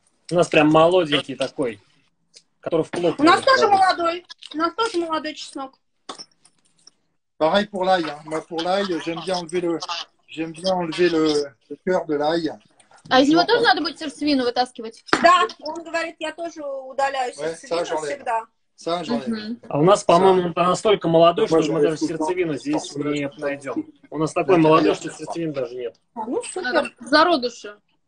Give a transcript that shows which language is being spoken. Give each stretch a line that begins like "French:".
Russian: У нас прям молоденький такой, который в плов. У нас тоже молодой, у нас тоже молодой чеснок.
French: Pareil pour l'ail. Hein. Moi, pour l'ail, j'aime bien enlever le cœur de l'ail.
Russian: А из него тоже надо будет сердцевину вытаскивать? Да, он говорит, я тоже удаляю сердцевину всегда. А у нас, по-моему, он настолько молодой, что мы даже сердцевину здесь не найдем. У нас такой молодой, что сердцевины даже нет. А, ну, супер. Зародыши.